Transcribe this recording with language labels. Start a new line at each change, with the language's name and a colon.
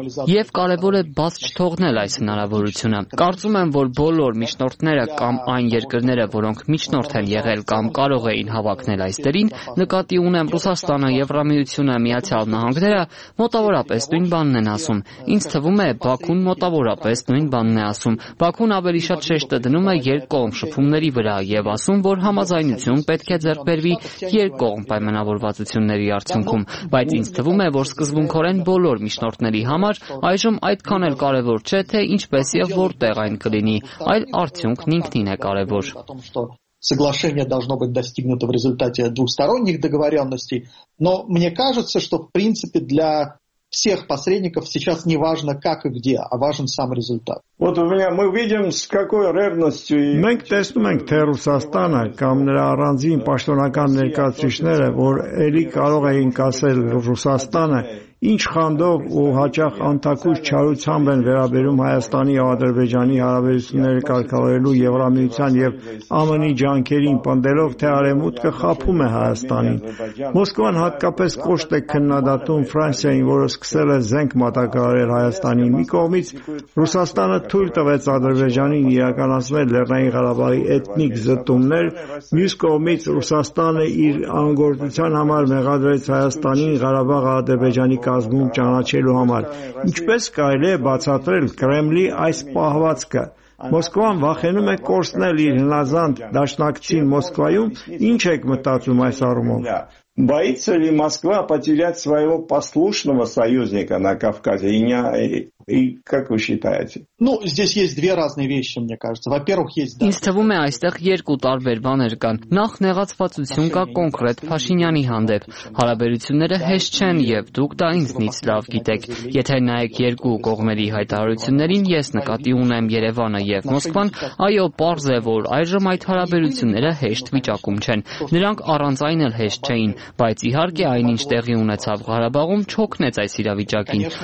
Armenian: և կարևոր է բաց չթողնել այս հնարավորությունը։ Կարծում եմ, որ բոլոր միջնորդները կամ այն երկրները, որոնք միջնորդ են եղել կամ կարող էին հավակնել այս դերին, նկատի ունեմ Ռուսաստանը, Եվրամիությունը, Միացյալ Նահանգները, մոտավորապես նույն բանն են ասում։ Ինձ թվում է, Բաքուն մոտավորապես նույն բանն է ասում։ Բաքուն ավելի շատ շեշտը դնում է երկկողմ շփումների վրա և ասում, որ համաձայնություն պետք է ձեռքբերվի երկկողմ պայմանավորվածությունների արդյունքում, բայց ինձ թվում է, որ սկզբունքորեն բոլոր միջնորդների համար այժմ այդքան էլ կարևոր չէ, թե ինչպես եւ որտեղ այն կլինի, այլ արդյունքն ինքնին է կարևոր։
Russian: Соглашение должно быть достигнуто в результате двусторонних договорённостей, но мне кажется, что в принципе для всех посредников сейчас не важно как и где, а важен сам результат. Вот у меня мы видим с какой ревностью и
Armenian: մենք տեսնում ենք, թե Ռուսաստանը կամ նրա առանձին պաշտոնական ներկայացուցիչները, որ էլի կարող էին ասել Ռուսաստանը Ինչ խանդով ու հաճախ անթակուս չարությամբ են վերաբերում Հայաստանի և Ադրբեջանի հարաբերությունները կարգավորելու Եվրամիության և ԱՄՆ-ի ջանքերին, պնդելով, թե Արևմուտքը խաբում է Հայաստանին։ Մոսկվան հատկապես կոշտ է քննադատում Ֆրանսիային, որը սկսել է զենք մատակարարել Հայաստանի։ Մի կողմից Ռուսաստանը թույլ տվեց Ադրբեջանին իրականացնել Լեռնային Ղարաբաղի էթնիկ զտումներ, մյուս կողմից Ռուսաստանը իր անգործության համար մեղադրեց Հայաստանին Ղարաբաղը Ադրբեջանի կազմում ճանաչելու համար։ Ինչպես կարելի է բացատրել Կրեմլի այս պահվածքը։ Մոսկվան վախենում է կորցնել իր հնազանդ դաշնակցին Մոսկվայում։ Ինչ եք մտածում այս առումով։
Russian: Боится ли Москва потерять своего послушного союзника на Кавказе? И как вы считаете? Ну, здесь есть две разные вещи, мне кажется. Во-первых, есть...
Armenian: Ինձ թվում է, այստեղ երկու տարբեր բաներ կան։ Նախ, նեղացվածություն կա կոնկրետ Փաշինյանի հանդեպ։ Հարաբերությունները հեշտ չեն, և դուք դա ինձնից լավ գիտեք։ Եթե նայեք երկու կողմերի հայտարարություններին, ես նկատի ունեմ Երևանը և Մոսկվան, այո, պարզ է, որ այժմ այդ հարաբերությունները հեշտ վիճակում չեն։ Նրանք առանց այն էլ հեշտ չէին, բայց իհարկե այնինչ տեղի ունեցավ Ղարաբաղում չօգնեց այս իրավիճակին։